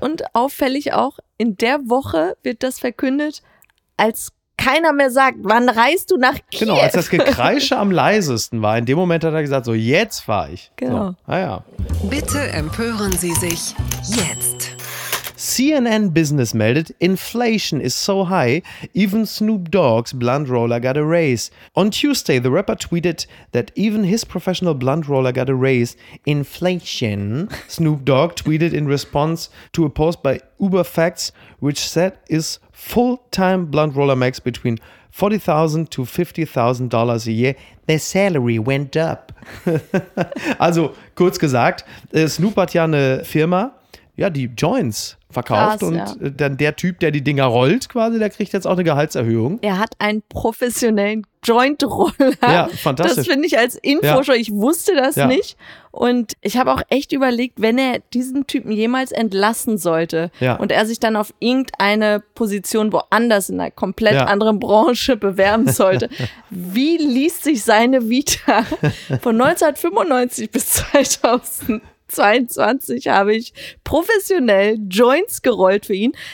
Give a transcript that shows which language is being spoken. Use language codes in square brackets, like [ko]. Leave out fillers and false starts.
[de] Und auffällig auch, in der Woche wird das verkündet, als keiner mehr sagt, wann reist du nach Kiew? Genau, als das Gekreische am leisesten war. In dem Moment hat er gesagt, so jetzt fahre ich. Genau. So. Ah, ja. Bitte empören Sie sich jetzt. [en] CNN Business meldet, inflation is so high, even Snoop Dogg's blunt roller got a raise. On Tuesday, the rapper tweeted that even his professional blunt roller got a raise. Inflation, Snoop Dogg tweeted in response to a post by Uber Facts, which said his full-time blunt roller makes between $40,000 to $50,000 a year. Their salary went up. [de] Also, kurz gesagt, Snoop hat ja eine Firma, ja, die Joints verkauft. Krass, und ja, dann der Typ, der die Dinger rollt quasi, der kriegt jetzt auch eine Gehaltserhöhung. Er hat einen professionellen Joint-Roller. Ja, fantastisch. Das finde ich als Info schon, ich wusste das nicht. Und ich habe auch echt überlegt, wenn er diesen Typen jemals entlassen sollte und er sich dann auf irgendeine Position woanders in einer komplett anderen Branche bewerben sollte, wie liest sich seine Vita von 1995 bis 2022 habe ich professionell Joints gerollt für ihn.